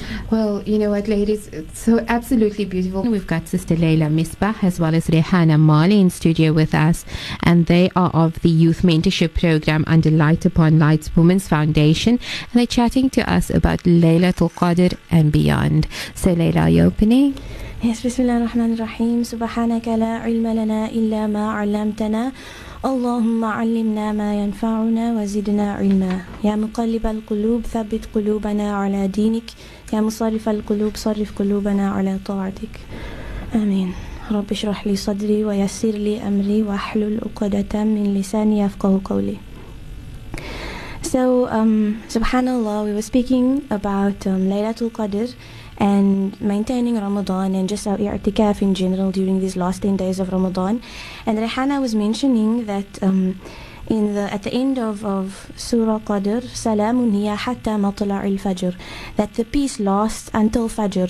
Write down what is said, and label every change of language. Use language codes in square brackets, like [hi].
[en] Well, you know what, ladies, it's so absolutely beautiful. We've got Sister Layla Misbah as well as Rehana Mali in studio with us, and they are of the Youth Mentorship Program under Light Upon Light's Women's Foundation, and they're chatting to us about Laylatul Qadr and beyond. So, Layla, are you opening? [ar] Yes, Bismillah ar-Rahman ar-Rahim. Subhanaka la ilma lana illa ma 'allamtana. اللهم علمنا ما ينفعنا وزدنا علما يا مقلب القلوب ثبت قلوبنا على دينك يا مصرف القلوب صرف قلوبنا على طاعتك آمين رب اشرح لي صدري ويسر لي أمري واحلل عقدة من لساني يفقه قولي. [en] So subhanallah, we were speaking about Laylatul Qadr and maintaining Ramadan and just our i'tikaf in general during these last 10 days of Ramadan. And Rehana was mentioning that at the end of Surah Qadr, [ar] Salamun hiya hatta matla'il fajr, [en] that the peace lasts until Fajr.